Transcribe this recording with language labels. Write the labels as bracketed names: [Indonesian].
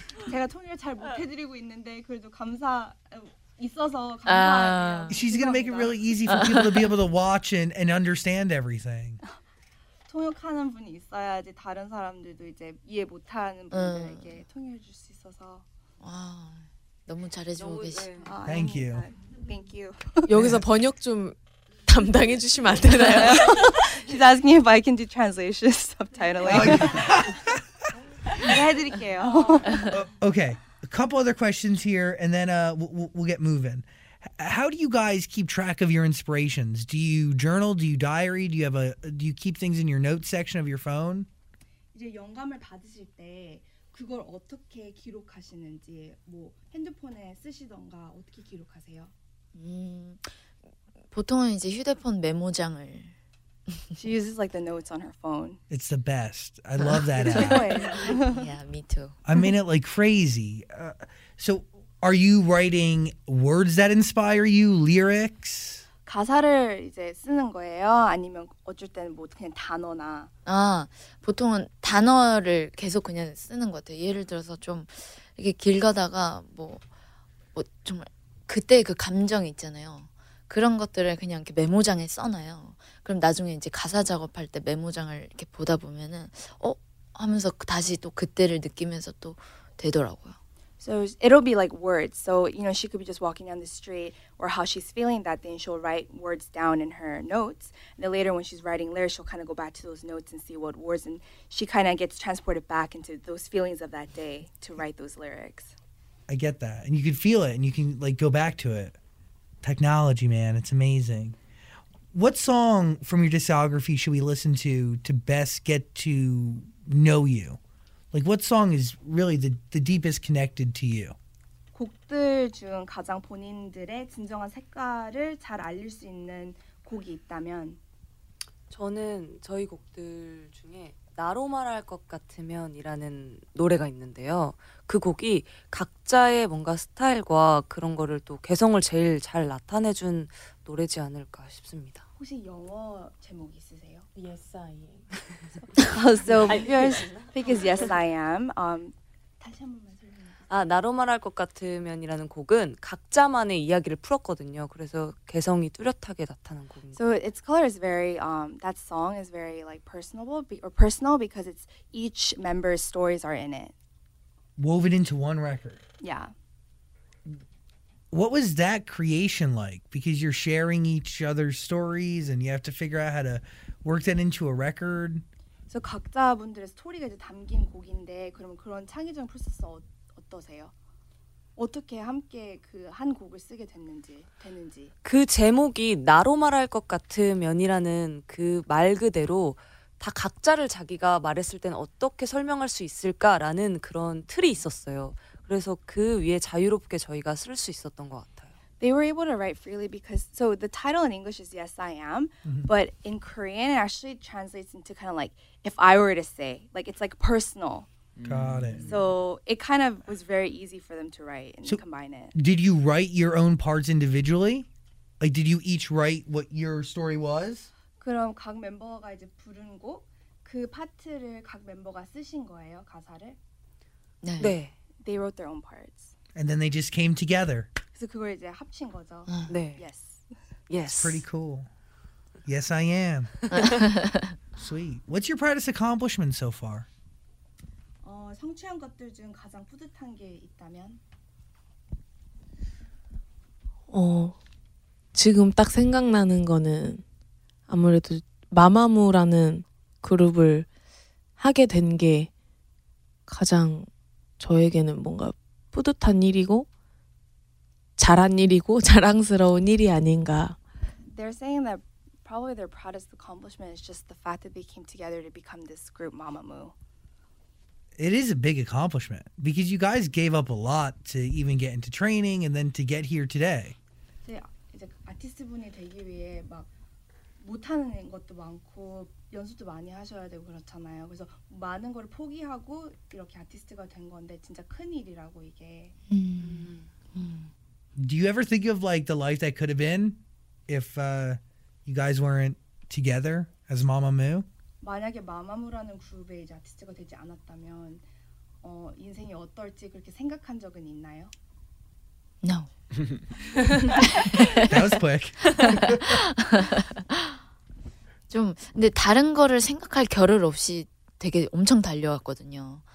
[Korean] 제가 통일 잘 못해드리고 있는데 그래도 감사 있어서 감사해요. [English] She's gonna make it really easy for people to be able to watch and understand everything. [Korean] 통역하는 분이 있어야지 다른 사람들도 이제 이해 못하는 분들에게 통역해줄 수 있어서. 와, 너무 잘해주고 계시. [English] Thank you. Thank you. [Korean] 여기서 번역 좀. 담당해 주시면 안 되나요? [English] She's asking if I can do translation subtitling. [Korean] 해드릴게요. [English] Okay, a couple other questions here, and then we'll get moving. How do you guys keep track of your inspirations? Do you journal? Do you diary? Do you have a? Do you keep things in your notes section of your phone? [Korean] 이제 영감을 받으실 때 그걸 어떻게 기록하시는지 뭐 핸드폰에 쓰시던가 어떻게 기록하세요? 보통은 이제 휴대폰 메모장을 [English] She uses like the notes on her phone. It's the best. I love that app. Yeah, me too. I mean it like crazy. So are you writing words that inspire you, lyrics? [Korean] 가사를 이제 쓰는 거예요? 아니면 어쩔 때는 뭐 그냥 단어나? 아, 보통은 단어를 계속 그냥 쓰는 것 같아요. 예를 들어서 좀 이렇게 길 가다가 뭐 정말 그때 그 감정 있잖아요. 그런 것들을 그냥 이렇게 메모장에 써놔요. 그럼 나중에 이제 가사 작업할 때 메모장을 이렇게 보다 보면은 하면서 다시 또 그때를 느끼면서 또 되더라고요. [English] So it'll be like words. So you know she could be just walking down the street or how she's feeling that day, and she'll write words down in her notes. And then later when she's writing lyrics, she'll kind of go back to those notes and see what words, and she kind of gets transported back into those feelings of that day to write those lyrics. I get that, and you can feel it, and you can like go back to it. Technology, man, it's amazing. What song from your discography should we listen to best get to know you? Like, what song is really the deepest connected to you? [Korean] 곡들 중 가장 본인들의 진정한 색깔을 잘 알릴 수 있는 곡이 있다면? 저는 저희 곡들 중에 나로 말할 것 같으면이라는 노래가 있는데요. 그 곡이 각자의 뭔가 스타일과 그런 거를 또 개성을 제일 잘 나타내준 노래지 않을까 싶습니다. 혹시 영어 제목 있으세요? [English] Yes, I am. So, yours because yes, I am. [Korean] 다시 한 번만 설명해주세요. 아, 나로 말할 것 같으면이라는 곡은 각자만의 이야기를 풀었거든요. 그래서 개성이 뚜렷하게 나타난 곡입니다. [English] So its color is very, that song is very like personal because it's each member's stories are in it. Woven into one record. Yeah. What was that creation like? Because you're sharing each other's stories and you have to figure out how to work that into a record. [Korean] 그래서 각자분들의 스토리가 이제 담긴 곡인데 그러면 그런 창의적인 프로세스 어떠세요? 어떻게 함께 그 한 곡을 쓰게 됐는지 그 제목이 나로 말할 것 같으면이라는 그 말 그대로 다 각자를 자기가 말했을 땐 어떻게 설명할 수 있을까라는 그런 틀이 있었어요. 그래서 그 위에 자유롭게 저희가 쓸 수 있었던 것 같아요. [English] They were able to write freely because, so the title in English is Yes, I Am, mm-hmm. but in Korean it actually translates into kind of like, if I were to say, like it's like personal. Got it. So it kind of was very easy for them to write and so combine it. Did you write your own parts individually? Like did you each write what your story was? [Korean] 그럼 각 멤버가 이제 부른 곡, 그 파트를 각 멤버가 쓰신 거예요, 가사를? 네. 네. [English] They wrote their own parts. And then they just came together. [Korean] 그래서 그걸 이제 합친 거죠. 네. [English] Yes. Yes. That's pretty cool. Yes, I am. Sweet. What's your proudest accomplishment so far? [Korean] 성취한 것들 중 가장 뿌듯한 게 있다면? 지금 딱 생각나는 거는 아무래도 마마무라는 그룹을 하게 된 게 가장 저에게는 뭔가 뿌듯한 일이고 잘한 일이고 자랑스러운 일이 아닌가. [English] They're saying that probably their proudest accomplishment is just the fact that they came together to become this group Mamamoo. It is a big accomplishment because you guys gave up a lot to even get into training and then to get here today. [Korean] 이제 아티스트분이 되기 위해 막 못하는 것도 많고 연습도 많이 하셔야 되고 그렇잖아요. 그래서 많은 걸 포기하고 이렇게 아티스트가 된 건데 진짜 큰 일이라고 이게. [English] Do you ever think of like the life that could have been if you guys weren't together as Mamamoo? [Korean] 만약에 마마무라는 그룹에 이제 아티스트가 되지 않았다면 인생이 어떨지 그렇게 생각한 적은 있나요? [English] No. That was quick. [Korean] 좀 근데 다른 거를 생각할 겨를 없이 되게 엄청 달려왔거든요.